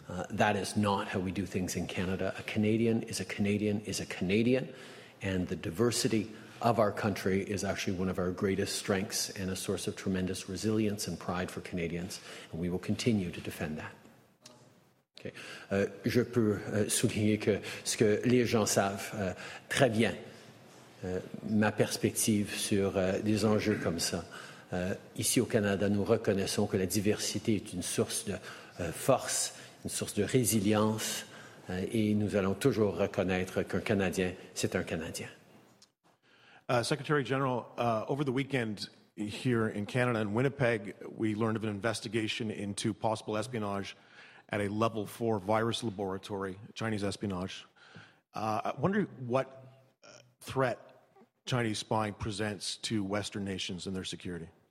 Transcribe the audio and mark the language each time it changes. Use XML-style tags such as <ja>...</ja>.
<en>That is not how we do things in Canada. A Canadian is a Canadian is a Canadian, and the diversity of our country is actually one of our greatest strengths and a source of tremendous resilience and pride for Canadians, and we will continue to defend that. Okay.</en> <fr>Je peux souligner que ce que les gens savent très bien, ma perspective sur des enjeux comme ça. Ici au Canada, nous reconnaissons que la diversité est une source de force, une source de résilience, et nous allons toujours reconnaître qu'un Canadien, c'est un Canadien.</fr> <en>Secretary General, over the weekend here in Canada, in Winnipeg, we learned of an investigation into possible espionage at a level four virus laboratory, Chinese espionage. I wonder what threat Chinese spying presents to Western nations and their security.</en>